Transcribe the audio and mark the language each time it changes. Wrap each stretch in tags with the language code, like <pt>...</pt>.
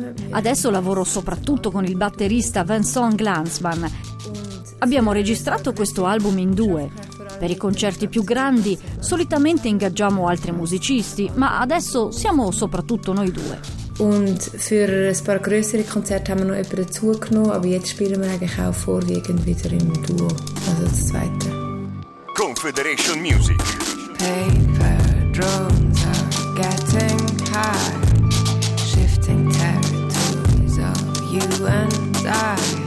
<it>Adesso lavoro soprattutto con il batterista Vincent Glanzmann. Abbiamo registrato questo album in due. Per i concerti più grandi solitamente ingaggiamo altri musicisti, ma adesso siamo soprattutto noi due.</it> <de>Und für ein paar größere Konzerte haben wir noch jemanden dazugenommen, aber jetzt spielen wir eigentlich auch vorwiegend wieder im Duo, also das zweite.</de> <en>Confederation Music. Paper drums are getting high, shifting territories of you and I.</en>